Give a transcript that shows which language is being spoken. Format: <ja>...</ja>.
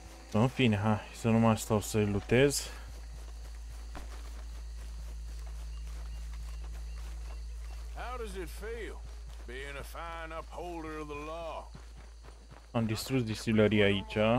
<ro>În fine, hai, să nu mai stau să-i lutez.</ro> <en>How does it feel being a fine upholder of the law?</en> <ro>Am distrus distilăria aici.</ro>